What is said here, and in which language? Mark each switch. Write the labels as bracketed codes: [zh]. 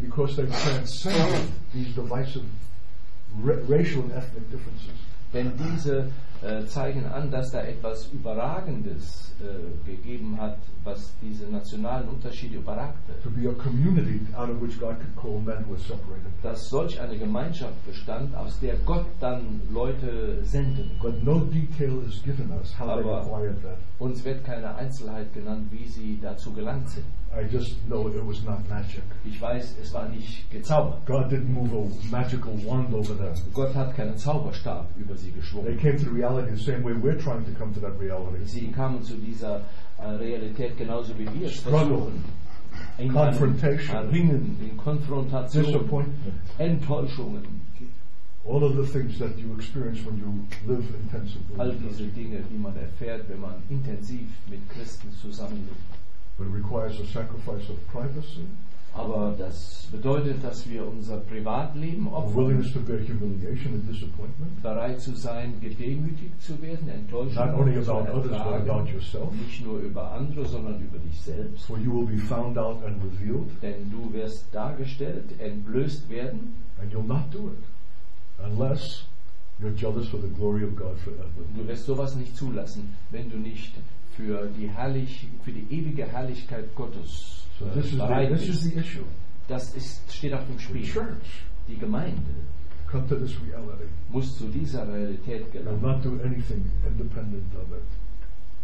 [en] Because they transcend these divisive racial and ethnic differences. [de] Denn diese zeigen an, dass da etwas Überragendes gegeben hat, was diese nationalen Unterschiede überragte. [en] To be a community out of which God could call men who are separated. [de] Dass solch eine Gemeinschaft bestand, aus der Gott dann Leute senden. [en] But no detail is given us how [de] aber [en] they acquired that. [de] Uns wird keine Einzelheit genannt, wie sie dazu gelangt sind. [en] I just know it was not magic. [de] Ich weiß, es war nicht gezaubert. [en] God didn't move a magical wand over there. [de] Gott hat keinen Zauberstab über sie geschwungen. [en] They came to the reality the same way we're trying to come to that reality. [de] Sie kamen zu dieser Realität genauso wie wir. [en] Struggle, confrontation, [de] Ringen, in Konfrontation, [en] disappointment, [de] Enttäuschungen. [en] All of the things that you experience when you live intensively. [de] All diese Dinge, die man erfährt, wenn man intensiv mit Christen zusammenlebt. [en] But it requires a sacrifice of privacy. [de] Aber das bedeutet, dass wir unser Privatleben opfern. [en] Willingness to bear humiliation and disappointment. [de] Bereit zu sein, gedemütigt zu werden, enttäuscht [en] not only about others, but about yourself. [de] Nicht nur über andere, sondern über dich selbst. [en] For you will be found out and revealed. [de] Denn du wirst dargestellt, entblößt werden. [en] And you'll not do it unless you're jealous for the glory of God forever. [de] Du wirst sowas nicht zulassen, wenn du nicht für die ewige Herrlichkeit Gottes bereit bist. Das ist, steht auf dem Spiel. [en] The church, [de] die Gemeinde, [en] come to this reality, [de] muss zu dieser Realität gelangen. [en] Will not do anything independent of it.